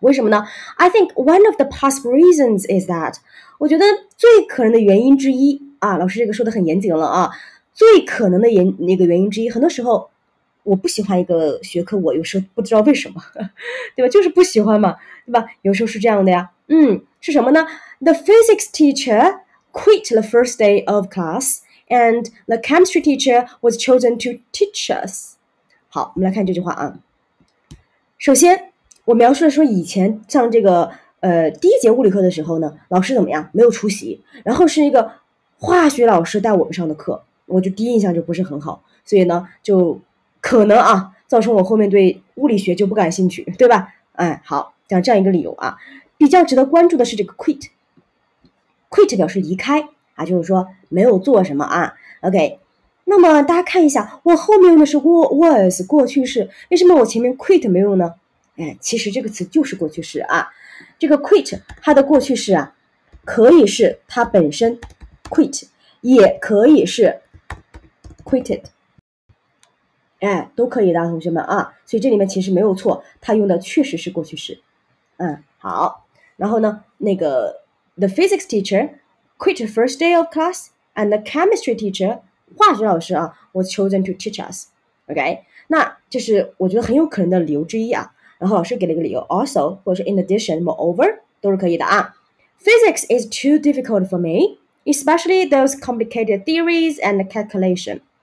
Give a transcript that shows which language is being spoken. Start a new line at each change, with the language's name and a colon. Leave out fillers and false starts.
Chinese: 为什么呢 ？
English: I think one of the possible reasons is that
Chinese: 我觉得最可能的原因之一啊，老师这个说的很严谨了啊，最可能的原因之一，很多时候。我不喜欢一个学科，我有时候不知道为什么，对吧？就是不喜欢嘛，对吧？有时候是这样的呀。是什么呢
English: ？The physics teacher quit the first day of class, and the chemistry teacher was chosen to teach us.
Chinese: 好，我们来看这句话啊。首先，我描述的说以前上这个第一节物理课的时候呢，老师怎么样？没有出席，然后是一个化学老师带我们上的课，我就第一印象就不是很好，所以呢就。可能啊，造成我后面对物理学就不感兴趣，对吧？哎，好，讲这样一个理由啊。比较值得关注的是这个 quit 表示离开啊，就是说没有做什么啊。 OK， 那么大家看一下，我后面用的是 was 过去式，为什么我前面 quit 没用呢？哎，其实这个词就是过去式啊。这个 quit 它的过去式啊，可以是它本身 quit， 也可以是 quitted。哎，都可以的，同学们啊，所以这里面其实没有错，他用的确实是过去式。好，然后呢，那个
English: the physics teacher quit the first day of class and the chemistry teacher
Chinese: 化学老师啊
English: was chosen to teach us.
Chinese: OK， 那这是我觉得很有可能的理由之一啊。然后老师给了一个理由 ，also 或者是 in addition, moreover 都是可以的啊。
English: Physics is too difficult for me, especially those complicated theories and the calculation.